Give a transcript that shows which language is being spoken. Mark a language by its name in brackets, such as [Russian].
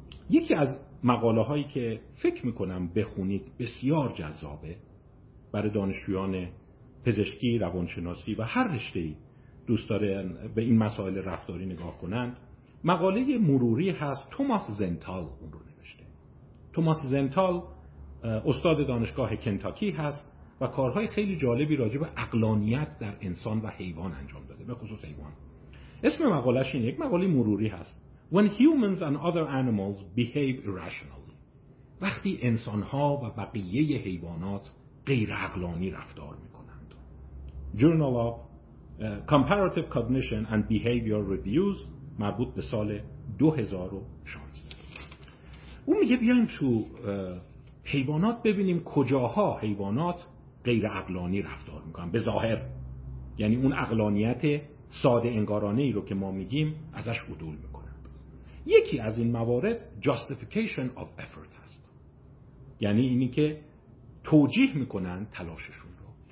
[Persian] یکی از مقاله هایی که فکر میکنم بخونید بسیار جذابه برای دانشجویان پزشکی، روانشناسی و هر رشته‌ای دوست داره به این مسائل رفتاری نگاه کنند، مقاله مروری هست. توماس زنتال اون رو نوشته. توماس زنتال استاد دانشگاه کنتاکی هست و کارهای خیلی جالبی راجع به عقلانیت در انسان و حیوان انجام داده، به خصوص حیوان. اسم مقالهش اینه، یک مقاله مروری هست. [English] When humans and other animals behave irrationally. [Persian] وقتی انسان‌ها و بقیه حیوانات غیر عقلانی رفتار می‌کنند. [English] Journal of Comparative Cognition and Behavior Reviews، [Persian] مربوط به سال [English] 2016. [Persian] اون میگه بیایم تو حیوانات ببینیم کجاها حیوانات غیر عقلانی رفتار می‌کنند. به ظاهر، یعنی اون عقلانیت ساده انگارانه‌ای رو که ما میگیم ازش عدول می‌کنند. یکی از این موارد [English] justification of effort [Persian] هست، یعنی اینی که توجیه میکنن تلاششون رو.